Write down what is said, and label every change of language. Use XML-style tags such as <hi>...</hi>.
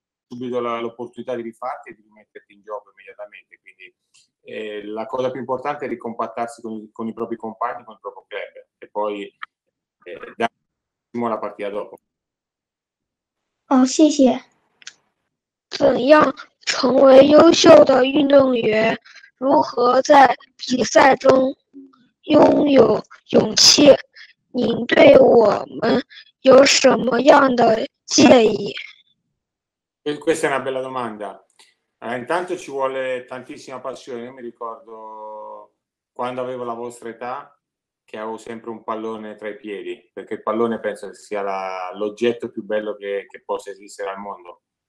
<it>Subito l'opportunità di rifarti e di metterti in gioco immediatamente. Quindi la cosa più importante è ricompattarsi con i propri compagni, con il proprio club, e poi dare la partita dopo. Oh, sì, sì.</it> <zh>怎样成为优秀的运动员？如何在比赛中拥有勇气？您对我们有什么样的建议？</zh> <it>Questa è una bella domanda. Intanto ci vuole tantissima passione. Io mi ricordo quando avevo la vostra età che avevo sempre un pallone tra i piedi, perché il pallone penso che sia l'oggetto più bello che possa esistere al mondo.</it>